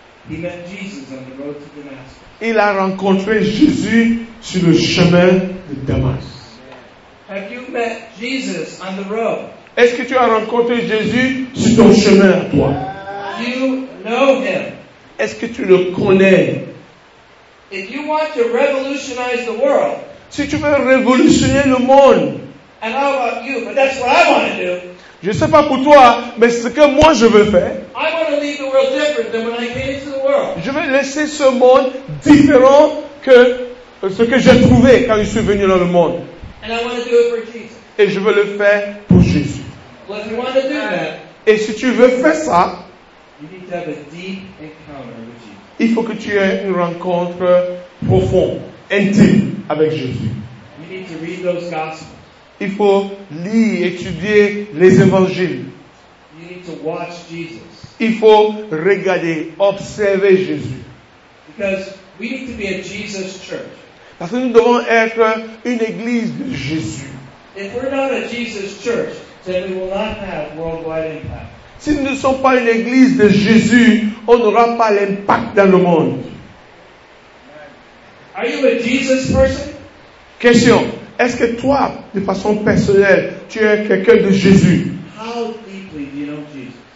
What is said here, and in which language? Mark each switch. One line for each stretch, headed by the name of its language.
English: He met Jesus on the road to Damascus.
French: Il a rencontré Jésus sur le chemin de Damas.
English: Have you met Jesus on the road?
French: Est-ce que tu as rencontré Jésus sur ton chemin à toi?
English: You know him.
French: Est-ce que tu le connais?
English: If you want to revolutionize the world,
French: si tu veux révolutionner le monde,
English: and how about you? But that's what I want to do.
French: Je ne sais pas pour toi, mais c'est ce que moi je veux faire.
English: I want to leave the world different than when I came into the world.
French: Je veux laisser ce monde différent que ce que j'ai trouvé quand je suis venu dans le monde.
English: And I want to do it for Jesus.
French: Et je veux le faire pour Jésus.
English: Well, if you want to do that,
French: et si tu veux faire ça,
English: you need to have a deep encounter with Jesus.
French: Il faut que tu aies une rencontre profonde, intime avec Jésus.
English: You need to read those gospels.
French: Il faut lire, étudier les évangiles.
English: You need to watch Jesus.
French: Il faut regarder, observer Jésus.
English: Because we need to be a Jesus church.
French: Parce que nous devons être une église de Jésus.
English: If we're not a Jesus church, then we will not have worldwide impact.
French: Si nous ne sommes pas une église de Jésus, on n'aura pas l'impact dans le monde.
English: Are you a Jesus person?
French: Question. Est-ce que toi, de façon personnelle, tu es quelqu'un de Jésus?
English: How deeply do you know Jesus?